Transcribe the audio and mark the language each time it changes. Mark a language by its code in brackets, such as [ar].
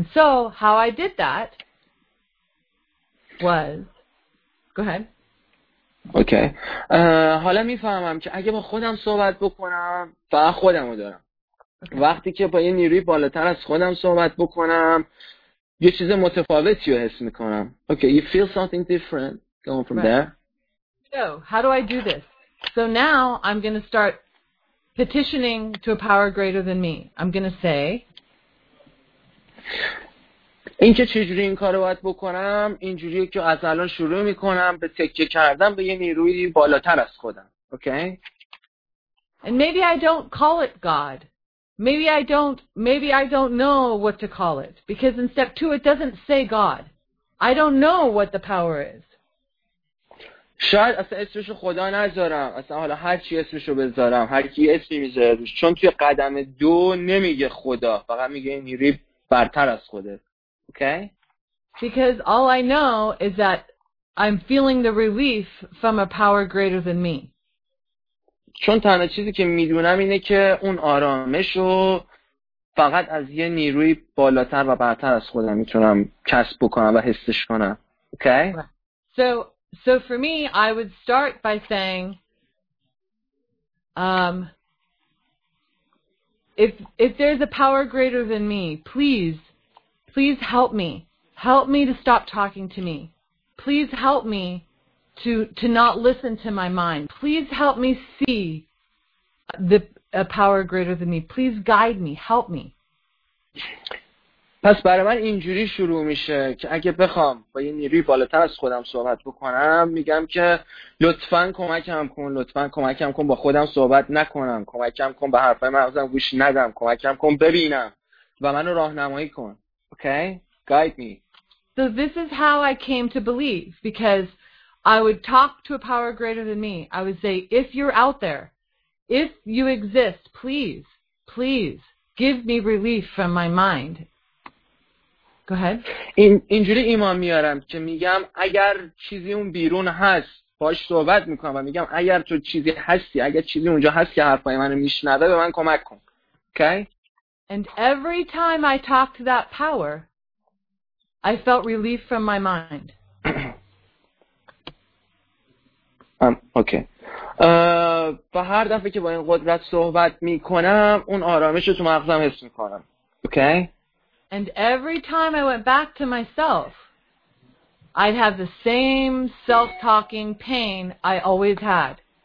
[en] And so, how I did that was... Go ahead. Okay. [fa] حالا میفهمم که اگه با خودم صحبت بکنم، فقط خودم رو دارم. [en] Okay. [fa] وقتی که با یه نیروی بالاتر از خودم صحبت بکنم، یه چیز متفاوتی رو حس میکنم. [en] Okay, you feel something different going from right. there. So, how do I do this? So now, I'm going to start petitioning to a power greater than me. I'm going to say, [fa] این که چجوری این کارو باید بکنم اینجوریه که از الان شروع میکنم به تکیه کردن به یه نیروی بالاتر از خودم. [en] Okay? And maybe I don't call it God. Maybe I don't know what to call it. Because in step two it doesn't say God. I don't know what the power is. [fa] شاید اصلا اسمشو خدا نذارم، اصلا حالا هر چی اسمشو بذارم، هر کی اسمی میذاره روش، چون توی قدم دو نمیگه خدا، فقط میگه نیروی برتر از خوده. [en] Okay? Because all I know is that I'm feeling the relief from a power greater than me. [fa] چون تنها چیزی که میدونم اینه که اون آرامشو فقط از یه نیروی بالاتر و برتر از خودم میتونم کسب بکنم و حسش کنم. [en] Okay? So for me, I would start by saying, if there's a power greater than me, please help me. Help me to stop talking to me. Please help me to not listen to my mind. Please help me see a power greater than me. Please guide me. Help me. [fa] پس برای من اینجوری شروع میشه که اگه بخوام با یه نیروی بالاتر از خودم صحبت بکنم، میگم که لطفاً کمکم کن، لطفاً کمکم کن، با خودم صحبت نکنم، کمکم کن، به حرفای مغزم گوش ندم، کمکم کن ببینم و منو راهنمایی کن. [en] Okay? Guide me. So this is how I came to believe, because I would talk to a power greater than me. I would say, if you're out there, if you exist, please, please give me relief from my mind. Go ahead. [fa] اینجوری ایمان میارم که میگم اگر چیزی اون بیرون هست باش صحبت میکنم و میگم اگر تو چیزی هستی، اگر چیزی اونجا هست که حرفای منو میشنوه به من کمک کن. [en] Okay? And every time I talked to that power, I felt relief from my mind. Okay. [fa] به هر دفعه که با این قدرت صحبت میکنم اون آرامش رو تو مغزم حس میکنم. [en] Okay? And every time I went back to myself, I'd have the same self-talking pain I always had.